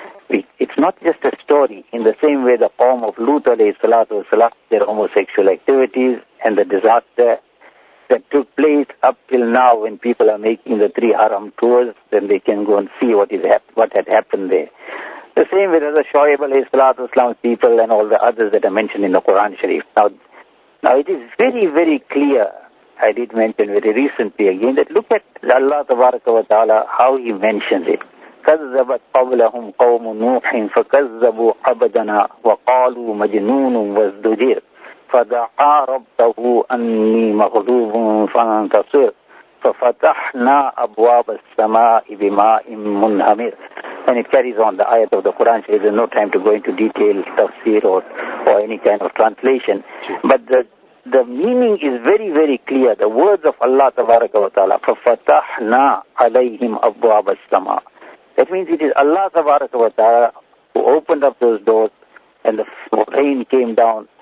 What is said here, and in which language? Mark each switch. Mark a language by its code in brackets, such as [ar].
[en] It's not just a story. In the same way, the Qawm of Lut alayhi salatu wasalam, their homosexual activities and the disaster that took place up till now, when people are making the three haram tours, then they can go and see what had happened there. The same with the Shoaib alayhi salatu wasalam people and all the others that are mentioned in the Quran Sharif. Now it is very, very clear. I did mention very recently again that look at Allah tabaraka wa ta'ala, how he mentions it. [ar] كذبت قبلهم قوم نوح فكذبوا عبدنا وقالوا مجنون وازدجر فدعا ربه أني مغلوب فانتصر ففتحنا أبواب السماء بماء منهمر. [en] And it carries on the ayat of the Quran. So there's no time to go into detail, tafsir or any kind of translation. But the meaning is very, very clear. The words of Allah tabaraka wa ta'ala, [ar] فَفَتَحْنَا عَلَيْهِمْ أَبْوَابَ السَّمَاءِ. [en] That means it is Allah subhanahu wa ta'ala who opened up those doors, and the rain came down.